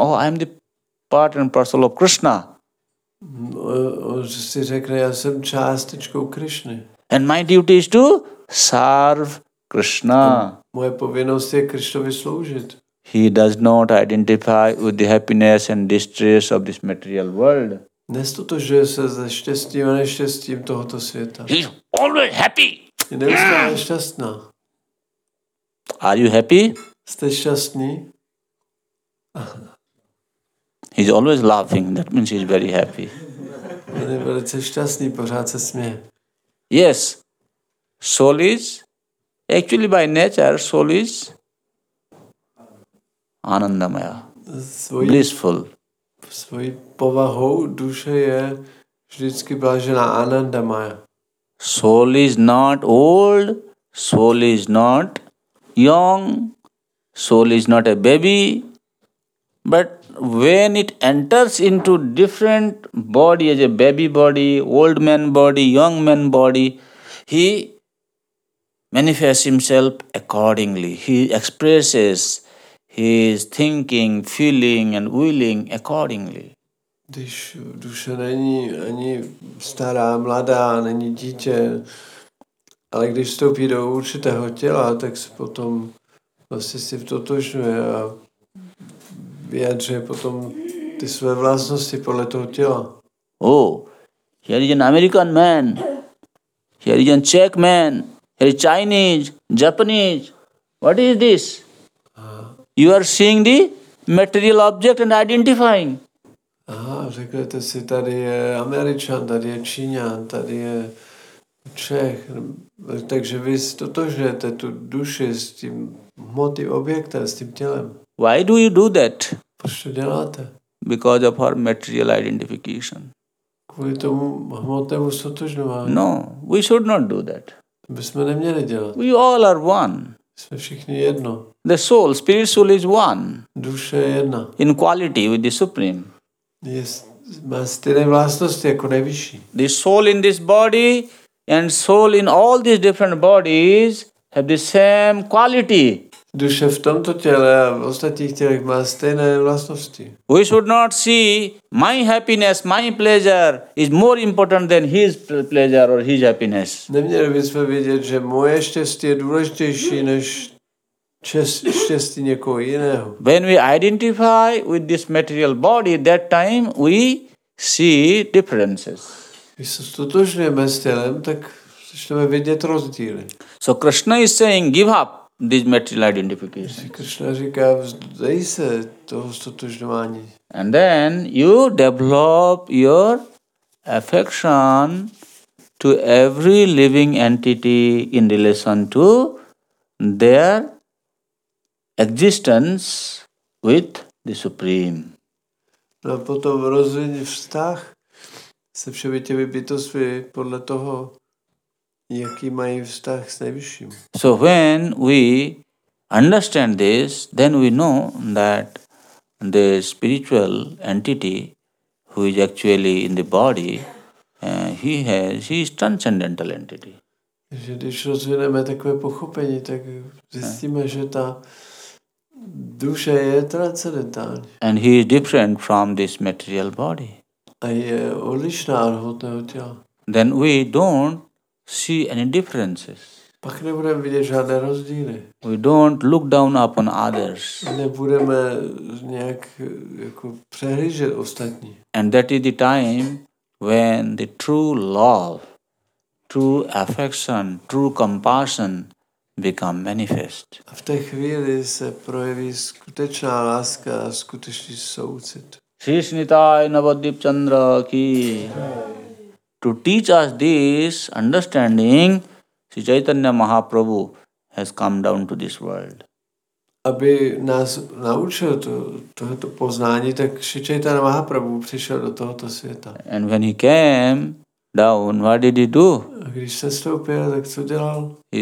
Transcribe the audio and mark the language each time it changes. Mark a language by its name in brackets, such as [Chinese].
[English] Oh, I am the part and parcel of Krishna. [Czech] On si řekne, já jsem částečkou Krishny. [English] And my duty is to serve Krishna. [Czech] Moje povinnost je Krishnovi sloužit. [English] He does not identify with the happiness and distress of this material world. [Czech] Nestotožuje se se štěstím a neštěstím tohoto světa. [English] He's always happy. [Czech] Je neustále šťastná. [English] Are you happy? [Czech] Jste šťastný? [English] He's always laughing. That means he's very happy. [Czech] On je velice šťastný, pořád se směje. [English] Yes. Soul is actually by nature soul is anandamaya. Blissful. [Czech] Svojí povahou duše je vždycky blažená anandamaya. [English] Soul is not old, soul is not young, soul is not a baby, but when it enters into different body as a baby body, old man body, young man body, he manifests himself accordingly. He expresses his thinking, feeling and willing accordingly. [Czech] Když duše není ani stará, mladá, není dítě, ale když vstoupí do určitého těla, tak se potom vlastně si vtotožňuje a vyjadřuje potom ty své vlastnosti podle toho těla. [English] Oh, here is an American man, here is a Czech man, here is Chinese, Japanese, what is this? You are seeing the material object and identifying. [Czech] Aha, řeknete si, tady je Američan, tady je Číňan, tady je Čech. Takže vy stotožujete tu duši s tím hmotným objektem, s tím tělem. [English] Why do you do that? [Czech] Proč to děláte? [English] Because of our material identification. [Czech] Kvůli tomu hmotnému stotožňování. [English] No, we should not do that. [Czech] To bychom neměli dělat. [English] We all are one. [Czech] Jsme všichni jedno. [English] The soul, spirit soul is one. [Czech] Duše je jedna. [English] In quality with the supreme. [Czech] Yes, má stejné vlastnosti jako nejvyšší. [English] The soul in this body and soul in all these different bodies have the same quality. [Czech] Duše v tomto těle a v ostatních tělech má stejné vlastnosti. [English] We should not see my happiness, my pleasure is more important than his pleasure or his happiness. [Czech] Neměli bychom vidět, že moje štěstí je důležitější než štěstí někoho jiného. [English] When we identify with this material body, that time we see differences. [Czech] Když se stotožňujeme s tělem, tak začneme vidět rozdíly. [English] So Krishna is saying, give up this material identification. [Czech] Krishna říká, vzdej se toho stotožňování. [English] And then you develop your affection to every living entity in relation to their existence with the Supreme. [Czech] No a potom rozvíjí vztah se všemi těmi bytostmi podle toho, jaký mají vztah s nejvyšším. [English] So when we understand this, then we know that the spiritual entity who is actually in the body, he is transcendental entity. [Czech] Že když rozvineme takové pochopení, tak zjistíme, že ta duše je transcendentální. [English] And he is different from this material body. [Czech] A je odlišná od hmotného těla. [English] Then we don't see any differences. [Czech] Pak nebudeme vidět žádné rozdíly. [English] We don't look down upon others. [Czech] Nebudeme nějak jako přehlížet ostatní. [English] And that is the time when the true love, true affection, true compassion become manifest. [Czech] A v té chvíli se projeví skutečná láska a skutečný soucit. Shri Srinitaya Navadvip Chandra ki. [English] To teach us this understanding, Sri Chaitanya Mahaprabhu has come down to this world. [Czech] Aby nás naučil tohoto poznání, tak Sri Chaitanya Mahaprabhu přišel do tohoto světa. [English] And when he came down, what did he do? [Czech] A když se stoupil, tak co dělal?